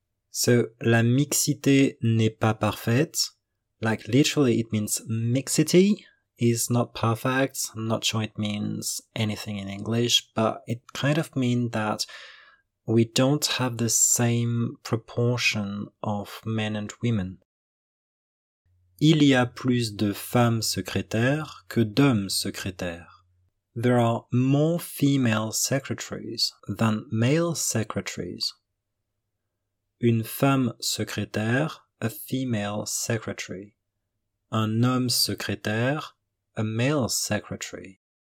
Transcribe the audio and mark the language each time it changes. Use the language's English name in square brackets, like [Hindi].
[French] So la mixité n'est pas parfaite, [English] like literally it means mixity is not perfect. I'm not sure it means anything in English, but it kind of means that we don't have the same proportion of men and women. [French] Il y a plus de femmes secrétaires que d'hommes secrétaires. [English] There are more female secretaries than male secretaries. [French] Une femme secrétaire, [English] a female secretary. [French] Un homme secrétaire, [English] a male secretary.